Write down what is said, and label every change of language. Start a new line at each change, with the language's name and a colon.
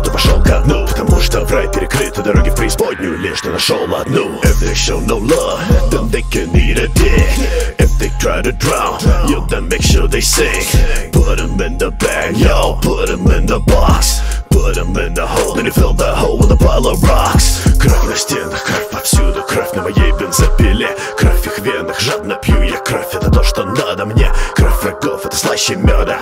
Russian: Ты пошел ко дну, потому что в рай перекрыты дороги в преисподнюю, лишь ты нашел одну.
English: If they show no love, then they can eat a dick. If they try to drown, you then make sure they sink. Put them in the bag, yo, put them in the box. Put them in the hole, then you fill that hole with a pile of rocks.
Russian: Кровь на стенах, кровь повсюду, кровь на моей бензопиле. Кровь в их венах, жадно пью я кровь, это то, что надо мне. Кровь врагов, это слаще меда.